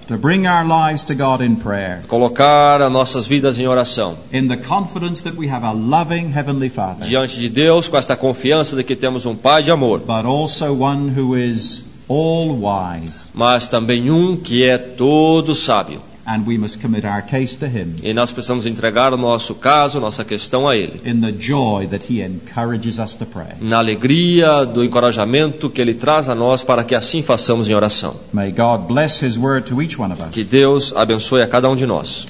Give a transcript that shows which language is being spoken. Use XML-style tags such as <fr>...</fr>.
<en>To bring our lives to God in prayer.</en> <pt>Colocar as nossas vidas em oração.</pt> <en>In the confidence that we have a loving heavenly Father.</en> <pt>Diante de Deus, com esta confiança de que temos Pai de amor.</pt> <en>But also one who is all wise.</en> <pt>Mas também que é todo sábio.</pt> <en>And we must commit our case to him.</en> <pt>E nós precisamos entregar o nosso caso, nossa questão a ele.</pt> <en>In the joy that he encourages us to pray.</en> <pt>Na alegria do encorajamento que ele traz a nós para que assim façamos em oração.</pt> <en>May God bless his word to each one of us.</en> <pt>Que Deus abençoe a cada de nós.</pt>